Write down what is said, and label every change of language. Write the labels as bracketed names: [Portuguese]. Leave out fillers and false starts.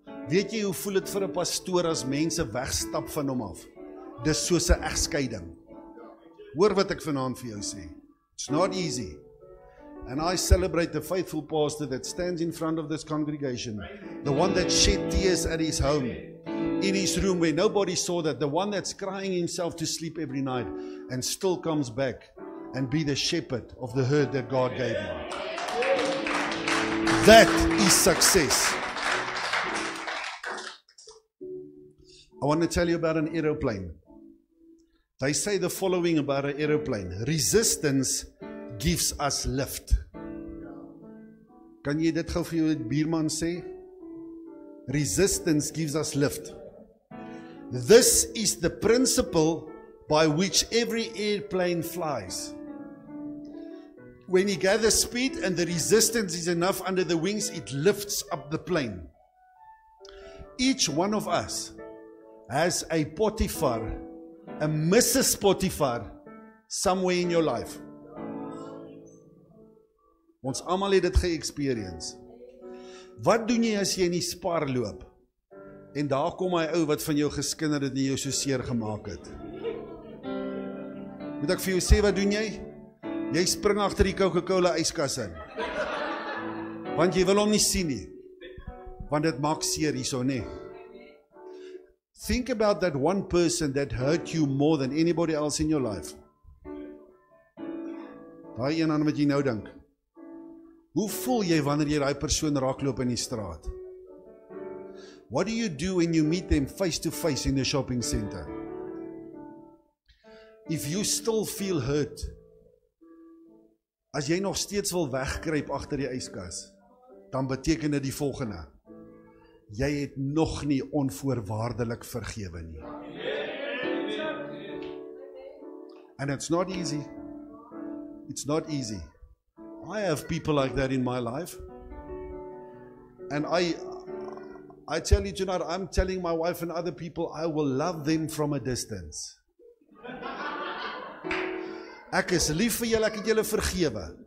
[Afrikaans] Weet jy hoe voel dit vir 'n pastoor as mense wegstap van hom af? Dis soos 'n egskeiding. Hoor wat ek vanaand vir jou sê. [English] It's not easy. And I celebrate the faithful pastor that stands in front of this congregation. The one that shed tears at his home. In his room where nobody saw that. The one that's crying himself to sleep every night. And still comes back and be the shepherd of the herd that God gave him. That is success. I want to tell you about an aeroplane. They say the following about an aeroplane. Resistance gives us lift. [Afrikaans] Kan jy dit gou vir jou buurman sê? [English] Resistance gives us lift. This is the principle by which every airplane flies. When he gathers speed and the resistance is enough under the wings, it lifts up the plane. Each one of us has a Potiphar, a Mrs. Potiphar, somewhere in your life. [Afrikaans] Ons almal het dit ge-experience. Wat doen jy as jy in die spar loop? En daar kom hy ou wat van jou geskinder het en jou so seer gemaak het. Moet ek vir jou sê wat doen jy? Jy spring agter die Coca-Cola yskas in. Want jy wil hom nie sien nie. Want dit maak seer hierso nê. [English] Think about that one person that hurt you more than anybody else in your life. [Afrikaans] Daai een aan wat jy nou dink. Hoe voel jy wanneer jy daai persoon raakloop in die straat? [English] What do you do when you meet them face to face in the shopping center? If you still feel hurt, [Afrikaans] as jy nog steeds wil wegkruip agter die yskas, dan beteken dit die volgende. Jy het nog nie onvoorwaardelik vergewe nie. [English] And it's not easy. It's not easy. I have people like that in my life. And I tell you tonight, I'm telling my wife and other people, I will love them from a distance. [Afrikaans] Ek is lief vir julle, ek het julle vergewe.